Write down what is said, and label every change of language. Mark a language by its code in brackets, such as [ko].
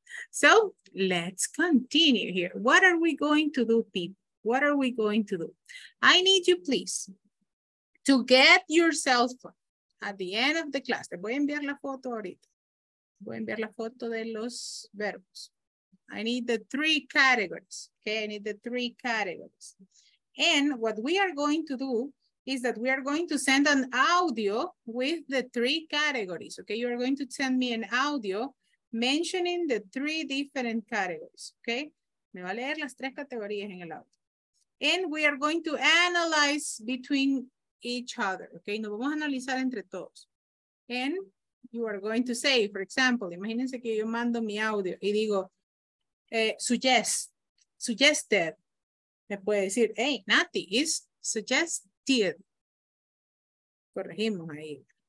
[en] So let's continue here. What are we going to do, people? What are we going to do? I need you, please, to get your cell phone at the end of the class. [es] Te voy a enviar la foto ahorita. Voy a enviar la foto de los verbos. [en] I need the three categories, okay? I need the three categories. And what we are going to do is that we are going to send an audio with the three categories, okay? You are going to send me an audio mentioning the three different categories, okay? [es] Me va a leer las tres categorías en el audio. [en] And we are going to analyze between each other, okay? [es] Nos vamos a analizar entre todos. [en] And you are going to say, for example, [es] imagínense que yo mando mi audio y digo, suggested, me puede decir, hey, Nati, is suggested. Corregimos ahí.